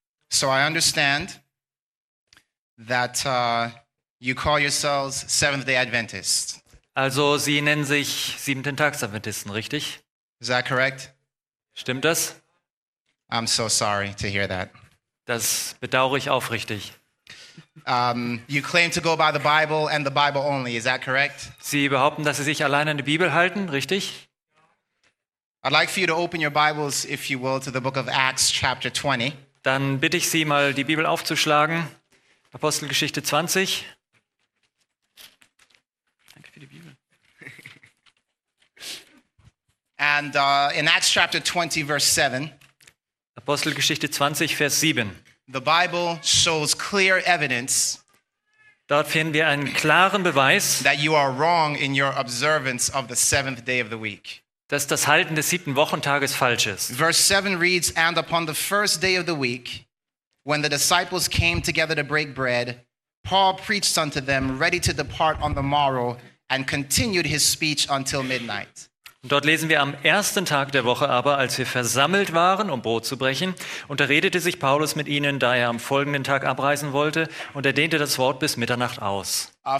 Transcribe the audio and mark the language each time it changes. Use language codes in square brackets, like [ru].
[en] So I understand that you call yourselves Seventh-day Adventists. [de] Also Sie nennen sich Siebenten-Tags-Adventisten, richtig? [en] Is that correct? [de] Stimmt das? [en] I'm so sorry to hear that. [de] Das bedauere ich aufrichtig. [en] You claim to go by the Bible and the Bible only, is that correct? [de] Sie behaupten, dass Sie sich allein an die Bibel halten, richtig? [en] I'd like for you to open your Bibles, if you will, to the book of Acts, chapter 20. [de] Dann bitte ich Sie mal, die Bibel aufzuschlagen. Apostelgeschichte 20. Danke für die Bibel. [en] And in Acts, chapter 20, verse 7. [de] Apostelgeschichte 20, Vers 7. [en] The Bible shows clear evidence. [de] Dort finden wir einen klaren Beweis, [en] that you are wrong in your observance of the seventh day of the week. [de] Dass das Halten des siebten Wochentages falsch ist. [en] Verse 7 reads, and upon the first day of the week, when the disciples came together to break bread, Paul preached unto them, ready to depart on the morrow, and continued his speech until midnight. [de] Und dort lesen wir, am ersten Tag der Woche aber, als wir versammelt waren, um Brot zu brechen, unterredete sich Paulus mit ihnen, da er am folgenden Tag abreisen wollte, und er dehnte das Wort bis Mitternacht aus.